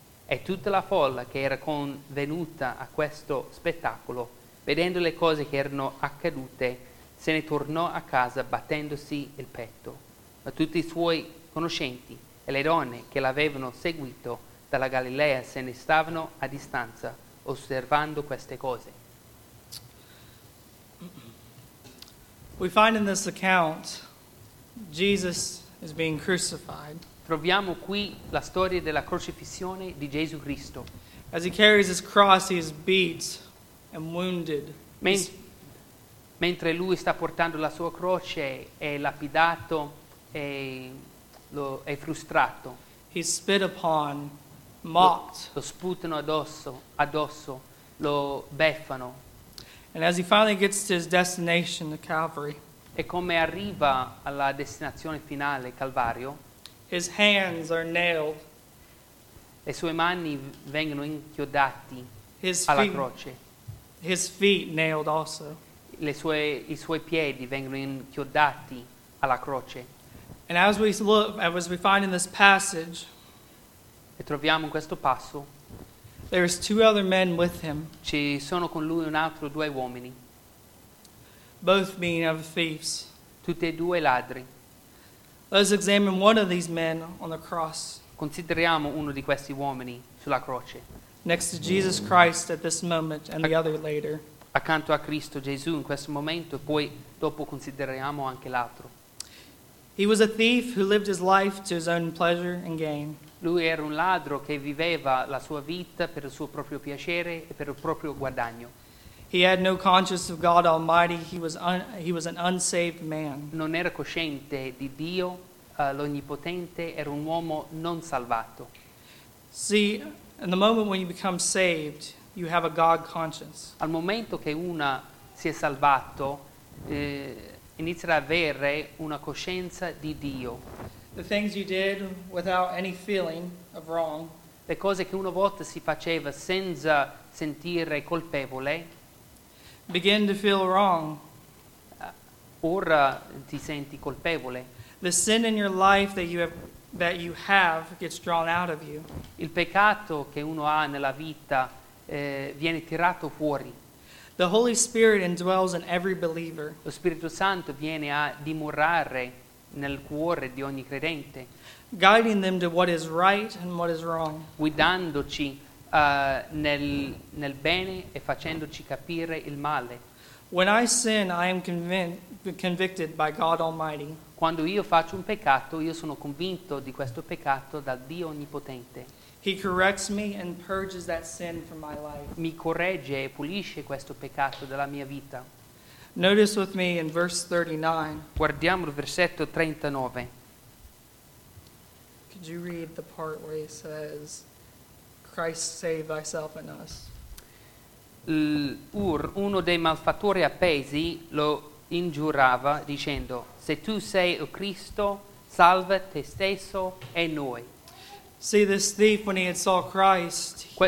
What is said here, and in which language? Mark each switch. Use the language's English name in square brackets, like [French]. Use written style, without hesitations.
[Italian] E tutta la folla che era convenuta a questo spettacolo, vedendo le cose che erano accadute, se ne tornò a casa battendosi il petto. Ma tutti i suoi conoscenti e le donne che l'avevano seguito dalla Galilea se ne stavano a distanza, osservando queste cose. [English] We find in this account Jesus is being crucified. [Italian] Troviamo qui la storia della crocifissione di Gesù Cristo. [English] As he carries his cross, he is beat and wounded. [Italian] Mentre lui sta portando la sua croce, è lapidato e è frustrato. [English] He spit upon, mocked. [Italian] Lo sputano addosso, lo beffano. [English] And as he finally gets to his destination, the Calvary. [Italian] E come arriva alla destinazione finale, Calvario? [English] His hands are nailed. [Italian] Le sue mani vengono inchiodati alla croce. [English] His feet nailed also. [Italian] I suoi piedi vengono inchiodati alla croce. [English] And as we look, as we find in this passage, [Italian] e troviamo in questo passo, [English] there is two other men with him. [Italian] Ci sono con lui un altro due uomini. [English] Both being of thieves. [Italian] Tutti e due ladri. [English] Let's examine one of these men on the cross. [Italian] Consideriamo uno di questi uomini sulla croce. [English] Next to Jesus Christ at this moment and the other later. [Italian] Accanto a Cristo Gesù in questo momento e poi dopo consideriamo anche l'altro. [English] He was a thief who lived his life to his own pleasure and gain. [Italian] Lui era un ladro che viveva la sua vita per il suo proprio piacere e per il proprio guadagno. [English] He had no conscience of God Almighty. He was an unsaved man. [Italian] Non era cosciente di Dio l'Onnipotente, era un uomo non salvato. [English] See, in the moment when you become saved, you have a God conscience. [Italian] Al momento che una si è salvato, inizia ad avere una coscienza di Dio. [English] The things you did without any feeling of wrong. [Italian] Le cose che una volta si faceva senza sentire colpevole. [English] Begin to feel wrong. [Italian] Ora ti senti colpevole. [English] The sin in your life that you have gets drawn out of you. [Italian] Il peccato che uno ha nella vita viene tirato fuori. [English] The Holy Spirit indwells in every believer. [Italian] Lo Spirito Santo viene a dimorare nel cuore di ogni credente. [English] Guiding them to what is right and what is wrong. [Italian] Guidandoci nel bene e facendoci capire il male. [English] When I sin, I am convicted by God Almighty. [Italian] Quando io faccio un peccato, io sono convinto di questo peccato dal Dio Onnipotente. [English] He corrects me and purges that sin from my life. [Italian] Mi corregge e pulisce questo peccato dalla mia vita. [English] Notice with me in verse 39. [Italian] Guardiamo il versetto 39. [English] Could you read the part where he says, Christ save thyself and us? [Italian] Uno dei malfattori appesi lo ingiurava dicendo, se tu sei il Cristo, salva te stesso e noi. [English] See, this thief, when he had saw Christ,